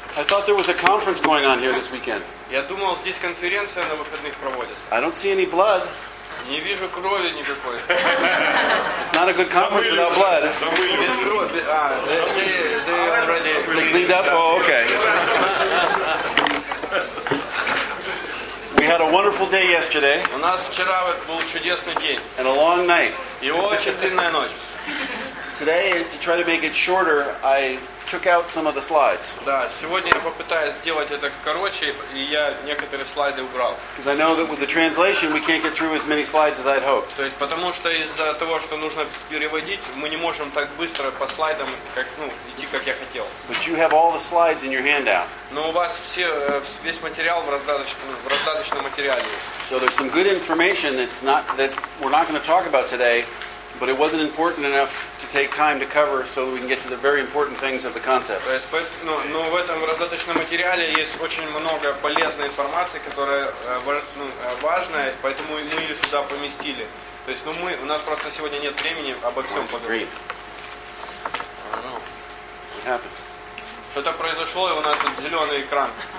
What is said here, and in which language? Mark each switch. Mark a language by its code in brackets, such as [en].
[en] I thought there was a conference going on here this weekend. [ru] Я думал, здесь конференция на выходных проводится. [en] I don't see any blood. [ru] Не вижу крови никакой. [en] It's not a good conference without blood. [ru] Без крови. [en] They already they cleaned up. Oh, okay. We had a wonderful day yesterday. [ru] У нас вчера был чудесный день. [en] And a long night. [ru] И очень длинная ночь. [en] Today, to try to make it shorter, I took out some of the slides. [ru] Да, сегодня я попытаюсь сделать это короче, и я некоторые слайды убрал. [en] Because I know that with the translation, we can't get through as many slides as I'd hoped. [ru] То есть потому что из-за того, что нужно переводить, мы не можем так быстро по слайдам как идти, как я хотел. [en] But you have all the slides in your handout. [ru] Но у вас все весь материал в раздаточном материале. [en] So there's some good information that we're not going to talk about today. But it wasn't important enough to take time to cover so that we can get to the very important things of the concept. [ru] Но в этом раздаточном материале есть очень много полезной информации, которая важная, поэтому мы ее сюда поместили. То есть, у нас просто сегодня нет времени обо всем поговорить. Что-то произошло, и у нас тут зеленый экран.